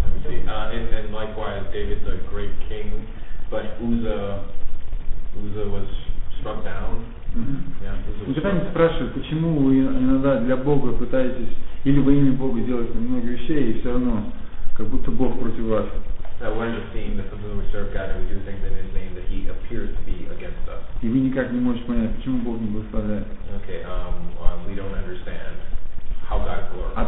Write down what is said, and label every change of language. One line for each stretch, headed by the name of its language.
English: And likewise David the great king, but Uzza was struck down.
Russian: Вот когда они спрашивают, почему вы иногда для Бога пытаетесь или во имя Бога делать много вещей, и все равно как будто Бог против вас.
English: That we're just seeing that sometimes we serve God and we do things in His name that He appears to be against us.
Russian: И вы никак не можете понять, почему Бог не благословляет.
English: Okay, we don't understand how God glorifies.